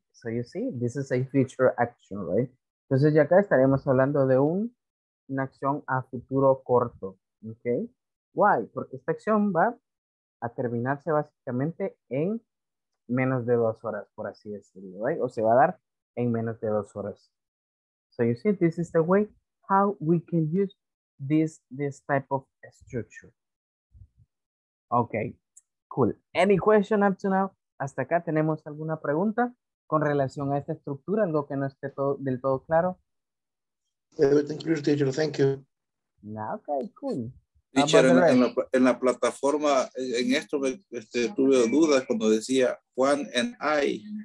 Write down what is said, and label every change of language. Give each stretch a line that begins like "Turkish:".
English: So you see, this is a future action, right?
Spanish: Entonces ya acá estaremos hablando de una acción a futuro corto, ¿ok? Why? Porque esta acción va a terminarse básicamente en menos de 2 horas, por así decirlo, ¿right? O se va a dar en menos de 2 horas.
English: So you see, this is the way how we can use this type of structure. Ok. Cool. Any question up to now?
Spanish: Hasta acá tenemos alguna pregunta con relación a esta estructura, algo que no esté todo, del todo claro.
English: Everything clear, teacher. Thank you. Nah, okay, cool.
Spanish: Teacher, en la plataforma, en esto tuve dudas cuando decía Juan and I.